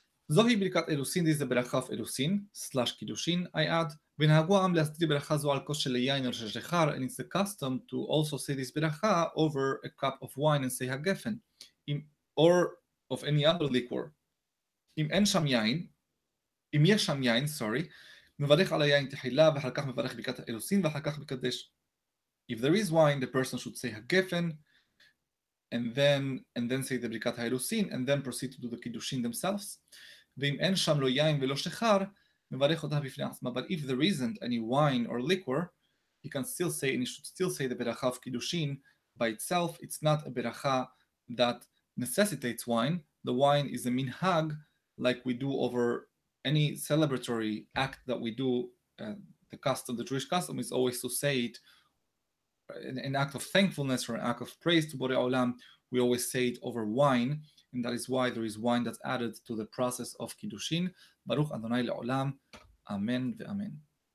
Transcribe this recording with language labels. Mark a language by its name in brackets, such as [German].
[Hebrew] Zohi Birkat Erusin, [English] this is the Berakha of Erusin, / Kiddushin, I add. [Hebrew] V'nahagu ha'am le'asdir Berakha zo al kosh le'yayin [English] or she'shechar, and it's the custom to also say this Berakha over a cup of wine and say ha'gefen, or of any other liquor. [Hebrew] Im en sham yayin, im yesh sham yayin, [English] sorry, [Hebrew] מברך על היין תחילה, ואחר כך מברך ברכת האירוסין, ואחר כך מקדש. [English] If there is wine, the person should say הגפן, and then say the ברכת האירוסין, and then proceed to do the קידושין themselves. [Hebrew] ואם אין שם לא יין ולא שחר, מברך אותה בפני עצמה. [English] But if there isn't any wine or liquor, he can still say, and he should still say the ברכה of קידושין by itself. It's not a ברכה that necessitates wine. The wine is a מנהג, like we do over any celebratory act that we do, the custom, the Jewish custom, is always to say it, an act of thankfulness or an act of praise to Borei Olam, we always say it over wine, and that is why there is wine that's added to the process of Kiddushin. [Hebrew] Baruch Adonai Le'olam. Amen v'amen.